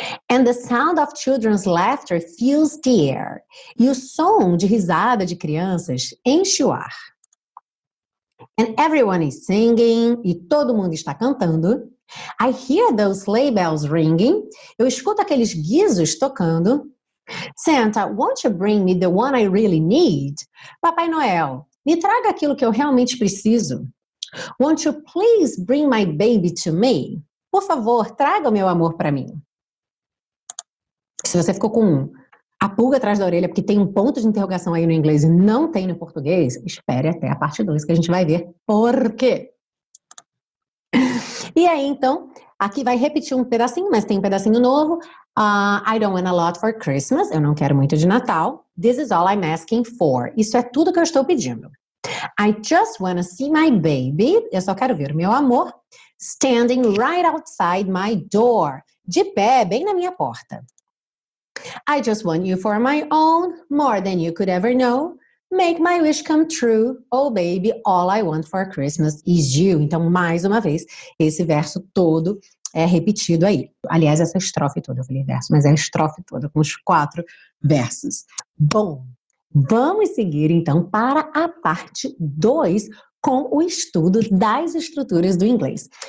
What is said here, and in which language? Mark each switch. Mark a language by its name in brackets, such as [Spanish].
[English] And the sound of children's laughter fills the air. [Portuguese] E o som de risada de crianças enche o ar. [English] And everyone is singing, [Portuguese] e todo mundo está cantando. [English] I hear those sleigh bells ringing. [Portuguese] Eu escuto aqueles guizos tocando. [English] Santa, won't you bring me the one I really need? [Portuguese] Papai Noel, me traga aquilo que eu realmente preciso. [English] Won't you please bring my baby to me? [Portuguese] Por favor, traga o meu amor para mim. Se você ficou com a pulga atrás da orelha, porque tem um ponto de interrogação aí no inglês e não tem no português, espere até a parte 2 que a gente vai ver por quê. E aí, então, aqui vai repetir um pedacinho, mas tem um pedacinho novo. [English] I don't want a lot for Christmas. [Portuguese] Eu não quero muito de Natal. [English] This is all I'm asking for. [Portuguese] Isso é tudo que eu estou pedindo. [English] I just want to see my baby. [Portuguese] Eu só quero ver o meu amor. [English] Standing right outside my door. [Portuguese] De pé, bem na minha porta. [English] I just want you for my own. More than you could ever know. Make my wish come true. Oh, baby, all I want for Christmas is you. [Portuguese] Então, mais uma vez, esse verso todo é repetido aí. Aliás, essa estrofe toda, eu falei verso, mas é a estrofe toda com os 4 versos. Bom, vamos seguir então para a parte 2 com o estudo das estruturas do inglês.